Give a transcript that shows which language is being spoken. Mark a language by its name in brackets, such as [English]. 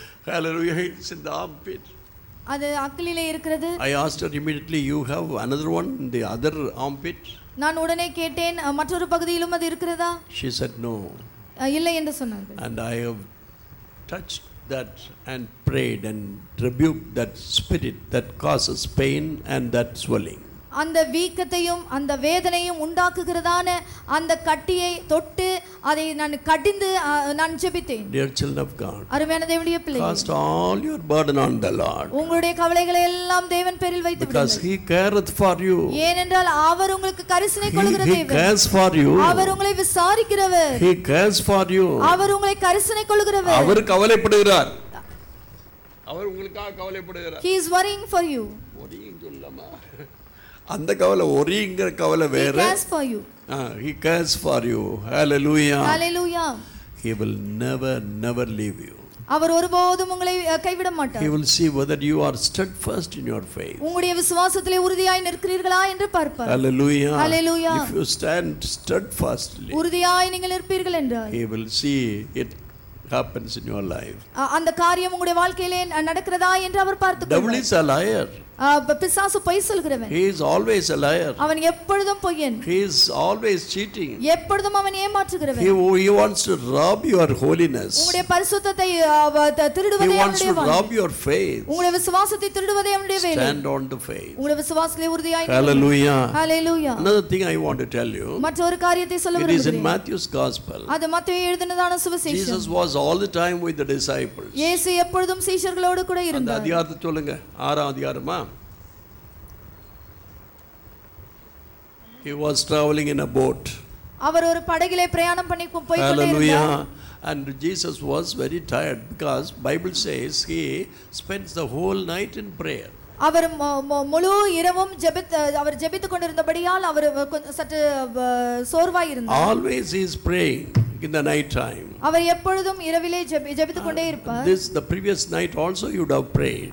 [English] Hallelujah, it's in the armpit. [Tamil] அது அக்கிலிலே இருக்கிறது. [English] I asked her immediately, you have another one in the other armpit? [Tamil] நான் உடனே கேட்டேன், மற்றொரு பகுதியிலும் அது இருக்கிறதா? [English] She said no. [Tamil] இல்லை என்று சொன்னார்கள். [English] And I have touched that and prayed and rebuked that spirit that causes pain and that swelling. [Tamil] அந்த வீக்கத்தையும் அந்த வேதனையும் உண்டாக்குகிறதான அந்த கட்டியை தொட்டு அதை நான் கடிந்து நான் ஜெபித்தேன். [English] Dear children of God, [Tamil] அருமையான தேவனுடைய பிள்ளைகளே, [English] cast all your burden on the Lord. [Tamil] உங்களுடைய கவலைகளை எல்லாம் தேவன் பேரில் வைத்து விடுங்கள். [English] Because he careth for you. [Tamil] ஏனென்றால் அவர் உங்களுக்கு கரிசனை கொள்கிற தேவன். [English] He cares for you. [Tamil] அவர் உங்களை விசாரிக்கிறவர். [English] He cares for you. [Tamil] அவர் உங்களை கரிசனை கொள்கிறவர். அவர் கவலைப்படுகிறார். அவர் உங்களுக்காக கவலைப்படுகிறார். [English] He is worrying for you. [Tamil] Worrying சொல்லமா? அந்த கவலை ஒரிங்கிற கவலை வேற. [English] He cares for you. He cares for you. Hallelujah. Hallelujah. He will never leave you. [Tamil] அவர் ஒருபோதும் உங்களை கைவிட மாட்டார். [English] He will see whether you are steadfast in your faith. [Tamil] உங்களுடைய விசுவாசத்திலே உறுதியாய் நிற்கிறீர்களா என்று பார்ப்பார். Hallelujah. Hallelujah. [English] If you stand steadfastly, [Tamil] உறுதியாய் நீங்கள் இருப்பீர்கள் என்றார். [English] He will see it happens in your life. [Tamil] அந்த காரியம் உங்களுடைய வாழ்க்கையிலே நடக்கிறதா என்று அவர் பார்த்துக்கொள்வார். [English] Devil is a liar. [Tamil] பிசாசு பொய் சொல்கிறவன். [English] He is always a liar. [Tamil] அவன் எப்பொழுதும் பொய்யன். [English] He is always cheating. [Tamil] எப்பொழுதும் அவன் ஏமாற்றுகிறவன். [English] He wants to rob your holiness. [Tamil] உம்முடைய பரிசுத்தத்தை திருடுவதே அவனுடைய [English] He wants to rob your faith. [Tamil] உம்முடைய விசுவாசத்தை திருடுவதே அவனுடைய வேலை. [English] Stand on the faith. [Tamil] உம்முடைய விசுவாசத்திலே உறுதியாய் நில். Hallelujah. Hallelujah. [English] Another thing I want to tell you. [Tamil] மற்றொரு காரியத்தை சொல்ல விரும்புகிறேன். [English] It is in Matthew's gospel. [Tamil] அது மத்தேயு எழுதினதான சுவிசேஷம். [English] Jesus was all the time with the disciples. [Tamil] இயேசு எப்பொழுதும் சீஷர்களோடு கூட இருந்தார். அந்த அதிகாரத்தை சொல்லுங்க. 6 அதிகாரம். [English] He was traveling in a boat. [Tamil] அவர் ஒரு படகிலே பிரயாணம் பண்ணி போய் கொண்டிருந்தார். Hallelujah. [English] And Jesus was very tired because Bible says he spends the whole night in prayer. [Tamil] அவர் முழு இரவும் அவர் ஜெபித்துக் கொண்டிருந்தபடியால் அவர் சற்று சோர்வாய் இருந்தார். [English] Always he is praying. In the night time [Tamil] avar eppozhudum iravile jebithukonde irpar. [English] This the previous night also you would have prayed.